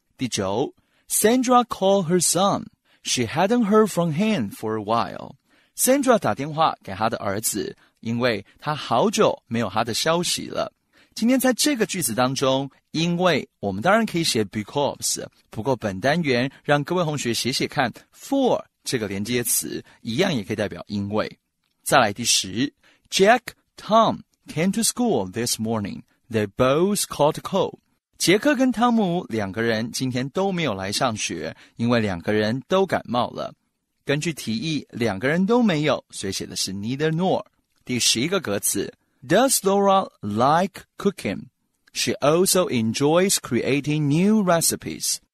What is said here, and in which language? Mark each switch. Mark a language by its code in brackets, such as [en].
[zh] 第九， [en] Sandra called her son, she hadn't heard from him for a whileSandra [zh] 打电话给他的儿子，因为他好久没有他的消息了。今天在这个句子当中，因为我们当然可以写 because， 不过本单元让各位同学写写看 for 这个连接词，一样也可以代表因为。再来第十， [en] Jack, Tom came to school this morning. They both caught a cold. [zh] 杰克跟汤姆两个人今天都没有来上学，因为两个人都感冒了。根据提议，两个人都没有，所以写的是 neither nor。第十一个格子 [en] ，Does Laura like cooking? She also enjoys creating new recipes.